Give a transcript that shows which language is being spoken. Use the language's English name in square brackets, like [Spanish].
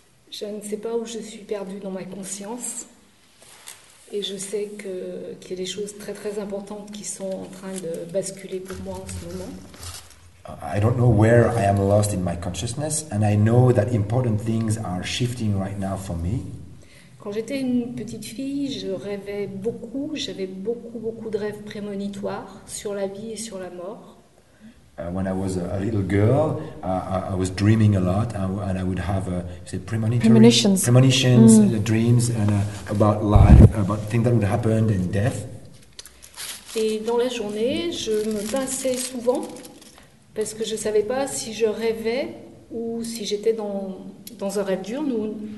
[French] Je ne sais pas où je suis perdue dans ma conscience, et je sais qu'il y a des choses très très importantes qui sont en train de basculer pour moi en ce moment. [English] I don't know where I am lost in my consciousness, and I know that important things are shifting right now for me. [French] Quand j'étais une petite fille, je rêvais beaucoup, j'avais beaucoup, beaucoup de rêves prémonitoires sur la vie et sur la mort. [English] When I was a little girl, I was dreaming a lot, and I would have premonitions, dreams and, about life, about things that would happen and death. [French] Et dans la journée, je me pinçais souvent, parce que je ne savais pas si je rêvais ou si j'étais dans un rêve diurne ou